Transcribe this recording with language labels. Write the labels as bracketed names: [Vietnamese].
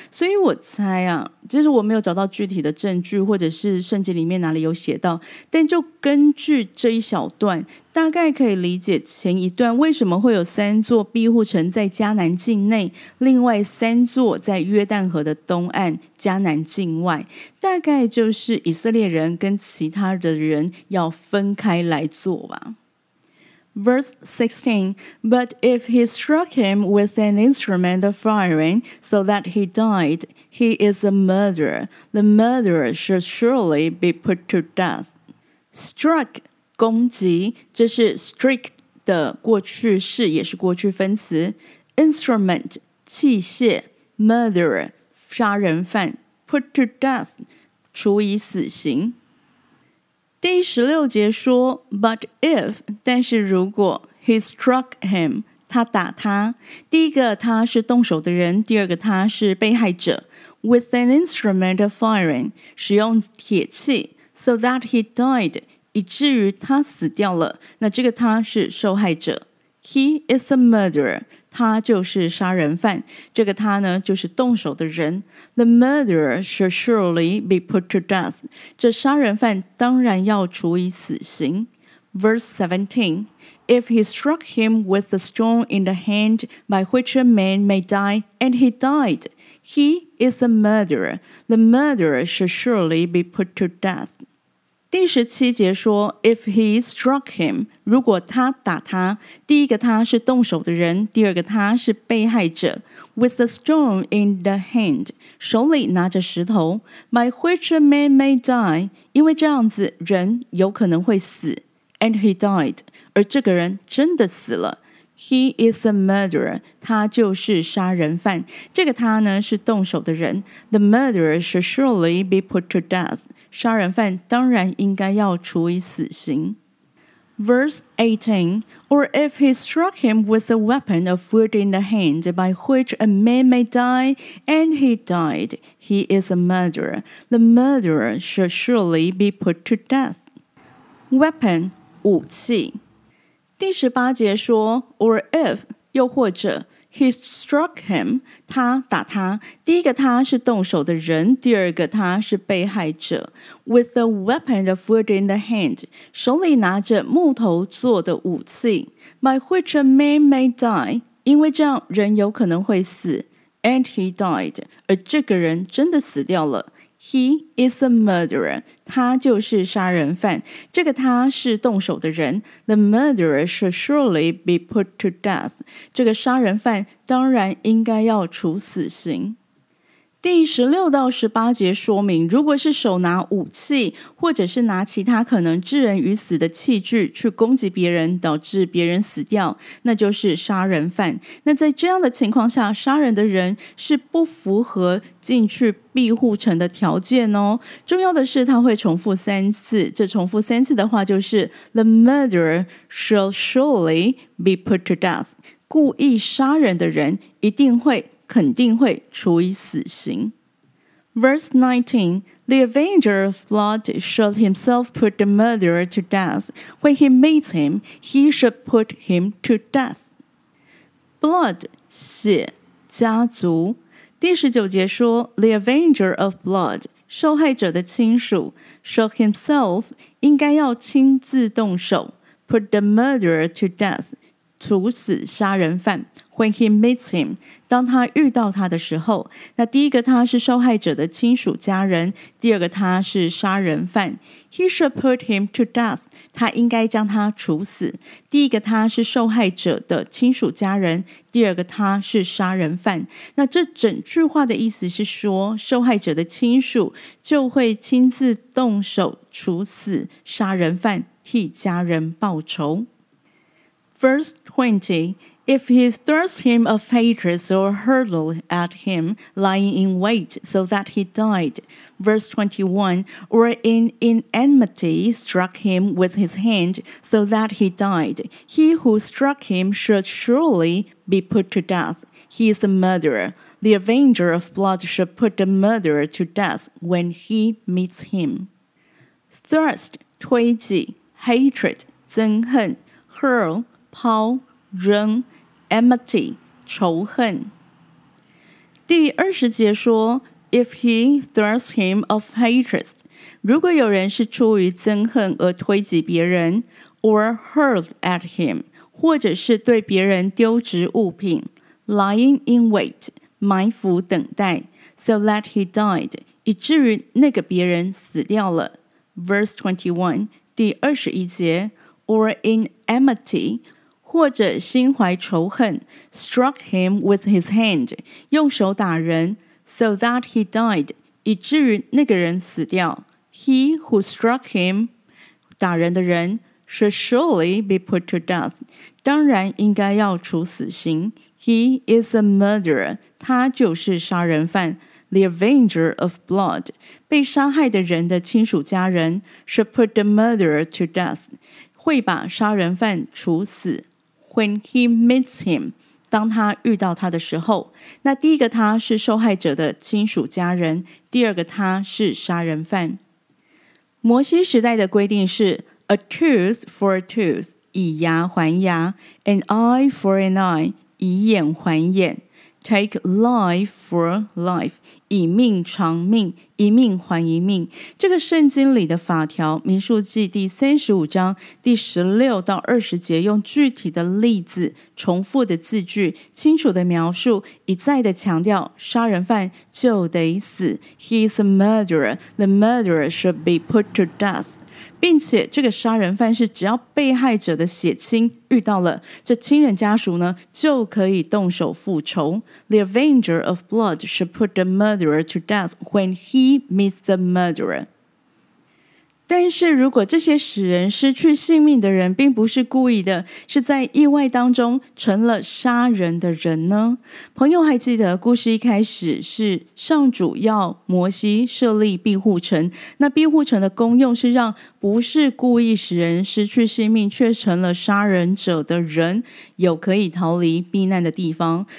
[Chinese] 所以我猜啊，其实我没有找到具体的证据，或者是圣经里面哪里有写到，但就根据这一小段，大概可以理解前一段为什么会有三座庇护城在迦南境内，另外三座在约旦河的东岸，迦南境外，大概就是以色列人跟其他的人要分开来做吧。 [English] Verse 16, but if he struck him with an instrument of firing so that he died, he is a murderer. The murderer should surely be put to death. [Chinese] Struck, 攻击，这是 strike 的过去式，也是过去分词。 [English] Instrument, [Chinese] 器械。 [English] Murderer, [Chinese] 杀人犯。 [English] Put to death, [Chinese] 处以死刑。第十六节说 , [English] but if, [Chinese] 但是如果 , [English] he struck him, [Chinese] 他打他。第一个他是动手的人，第二个他是被害者。 [English] With an instrument of firing, [Chinese] 使用铁器 [English] ,so that he died, [Chinese] 以至于他死掉了。那这个他是受害者。 [English] He is a murderer, [Chinese] 他就是杀人犯。这个他呢就是动手的人。 [English] The murderer should surely be put to death. [Chinese] 这杀人犯当然要处以死刑。 [English] Verse 17, if he struck him with a stone in the hand by which a man may die, and he died, he is a murderer. The murderer should surely be put to death. [Chinese] 第十七节说 , [English] if he struck him, [Chinese] 如果他打他，第一个他是动手的人，第二个他是被害者。 [English] With a stone in the hand, [Chinese] 手里拿着石头。 [English] By which a man may die, [Chinese] 因为这样子人有可能会死。 [English] And he died, [Chinese] 而这个人真的死了。 [English] He is a murderer, [Chinese] 他就是杀人犯。这个他呢是动手的人。 [English] The murderer should surely be put to death. [Chinese] 杀人犯当然应该要处以死刑。 [English] Verse 18, or if he struck him with a weapon of wood in the hand by which a man may die, and he died, he is a murderer. The murderer should surely be put to death. [Chinese] Weapon, 武器。第十八节说 , [English] or if, [Chinese] 又或者 , [English] he struck him, [Chinese] 他打他。第一个他是动手的人，第二个他是被害者。 [English] With a weapon of wood in the hand, [Chinese] 手里拿着木头做的武器。 [English] By which a man may die, [Chinese] 因为这样人有可能会死。 [English] And he died, [Chinese] 而这个人真的死掉了。 [English] He is a murderer, [Chinese] 他就是杀人犯。这个他是动手的人。 [English] The murderer should surely be put to death. [Chinese] 这个杀人犯当然应该要处死刑。第十六到十八节说明，如果是手拿武器，或者是拿其他可能致人于死的器具去攻击别人，导致别人死掉，那就是杀人犯。那在这样的情况下，杀人的人是不符合进去庇护城的条件哦。重要的是他会重复三次，这重复三次的话就是 [English] The murderer shall surely be put to death. [Chinese] 故意杀人的人一定会肯定会处以死刑。 [English] Verse 19, the avenger of blood shall himself put the murderer to death. When he meets him, he should put him to death. [Chinese] Blood, 血，家族。第十九节说 , [English] the avenger of blood, [Chinese] 受害者的亲属 , [English] shall himself, [Chinese] 应该要亲自动手 , [English] put the murderer to death, [Chinese] 处死杀人犯。 [English] When he meets him, [Chinese] 当他遇到他的时候，那第一个他是受害者的亲属家人，第二个他是杀人犯。 [English] He should put him to death, [Chinese] 他应该将他处死。第一个他是受害者的亲属家人，第二个他是杀人犯。那这整句话的意思是说，受害者的亲属就会亲自动手处死杀人犯，替家人报仇。 [English] Verse 20, if he throws him a fetus or hurdle at him, lying in wait so that he died. Verse 21, or in enmity struck him with his hand so that he died. He who struck him should surely be put to death. He is a murderer. The avenger of blood should put the murderer to death when he meets him. Thrust, [Chinese] 推挤, [English] hatred, [Chinese] 憎恨, [English] hurl, [Chinese] 抛扔 , [English] enmity, [Chinese] 仇恨。第二十节说 , [English] if he throws him of hatred, [Chinese] 如果有人是出于憎恨而推挤别人 , [English] or hurled at him, [Chinese] 或者是对别人丢掷物品 , [English] lying in wait, [Chinese] 埋伏等待 , [English] so that he died, [Chinese] 以至于那个别人死掉了。 [English] Verse 21, [Chinese] 第二十一节 [English] or in enmity, [Chinese] 或者心怀仇恨, [English] struck him with his hand, [Chinese] 用手打人, [English] so that he died, [Chinese] 以至于那个人死掉。 [English] He who struck him, [Chinese] 打人的人, [English] should surely be put to death, [Chinese] 当然应该要处死刑。 [English] He is a murderer, [Chinese] 他就是杀人犯。 [English] The avenger of blood, [Chinese] 被杀害的人的亲属家人, [English] should put the murderer to death, [Chinese] 会把杀人犯处死。 [English] When he meets him, [Chinese] 当他遇到他的时候，那第一个他是受害者的亲属家人，第二个他是杀人犯。摩西时代的规定是 [English] a tooth for a tooth, [Chinese] 以牙还牙 [English] an eye for an eye, [Chinese] 以眼还眼 [English] take life for life, [Chinese] 以命偿命，一命还一命。这个圣经里的法条，民数记第35章第16到20节，用具体的例子、重复的字句、清楚的描述，一再的强调杀人犯就得死。 [English] He is a murderer, the murderer should be put to death, [Chinese] 并且这个杀人犯是只要被害者的血亲遇到了，这亲人家属呢就可以动手复仇。 [English] The avenger of blood should put the murderer to death when he meets the murderer. [Chinese] 但是如果这些使人失去性命的人并不是故意的，是在意外当中成了杀人的人呢？朋友还记得故事一开始是上主要摩西设立庇护城，那庇护城的功用是让不是故意使人失去性命却成了杀人者的人有可以逃离避难的地方。